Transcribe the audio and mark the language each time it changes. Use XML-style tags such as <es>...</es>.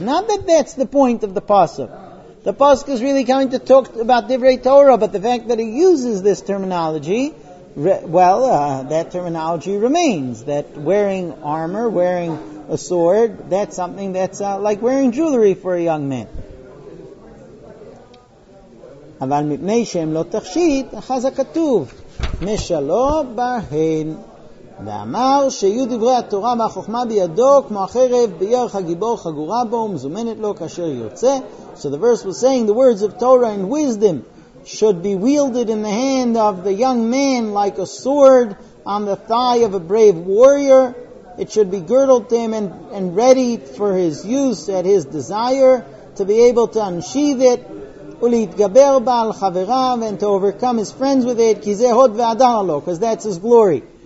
<en>Not that that's the point of the pasuk. The pasuk is really coming to talk about Divrei Torah, but the fact that he uses this terminology, that terminology remains. That wearing armor, wearing a sword, that's something that's like wearing jewelry for a young man.</en> <he>אבל מפני שהם לא תכשיט, חזקתוב, משלו בהן. ואמר שיהיו דברי התורה והחוכמה בידו כמו החרב בירך הגיבור חגורה בו ומזומנת לו כאשר יוצא.</he> <en>So the verse was saying the words of Torah and wisdom should be wielded in the hand of the young man like a sword on the thigh of a brave warrior. It should be girdled to him and ready for his use at his desire to be able to unsheathe it</en> <he>ולהתגבר בה על חבריו</he> <en>and to overcome his friends with it</en> <he>כי זה הוד והדר לו,</he> <en>because that's his glory.</en>